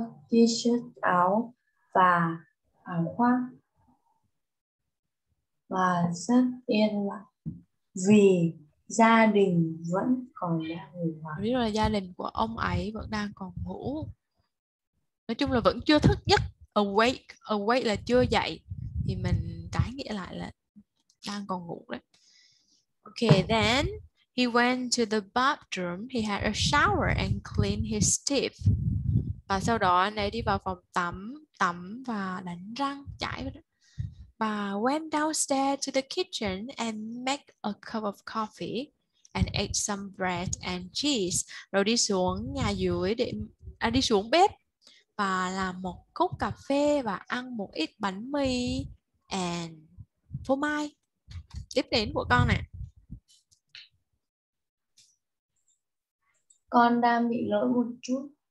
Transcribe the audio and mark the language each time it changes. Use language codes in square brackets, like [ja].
[vi] t-shirt áo và áo khoác và rất yên lặng vì gia đình vẫn còn đang ngủ. Biết là gia đình của ông ấy vẫn đang còn ngủ. Nói chung là vẫn chưa thức giấc. Awake, awake là chưa dậy. Thì mình trái nghĩa lại là đang còn ngủ đấy. [en] Okay, then he went to the bathroom. He had a shower and cleaned his teeth. [vi] Và sau đó anh ấy đi vào phòng tắm, tắm và đánh răng, chải. [en] Và went downstairs to the kitchen and make a cup of coffee and ate some bread and cheese. [vi] Rồi đi xuống nhà dưới để đi xuống bếp và làm một cốc cà phê và ăn một ít bánh mì and phô mai. Tiếp đến của con này. Con đang bị lỗi một chút.